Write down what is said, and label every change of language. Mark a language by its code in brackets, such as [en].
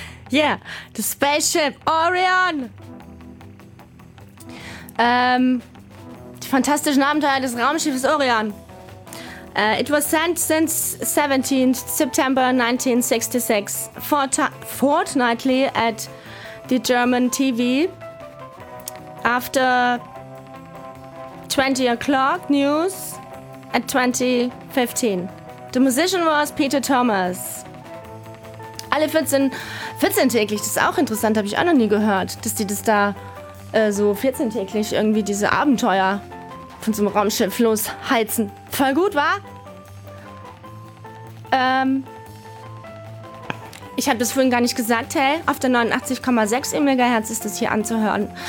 [en] Yeah, the spaceship Orion! [de] Die fantastischen Abenteuer des Raumschiffes Orion. [en] It was sent since 17th September 1966 fortnightly at the German TV after 20 o'clock news at 2015. The musician was Peter Thomas. [de] alle 14 täglich. Das ist auch interessant, habe ich auch noch nie gehört, dass die das da so 14 täglich irgendwie diese Abenteuer von so einem Raumschiff losheizen. Voll gut, wa? Ich habe das vorhin gar nicht gesagt, hey, auf der 89,6 MHz ist das hier anzuhören.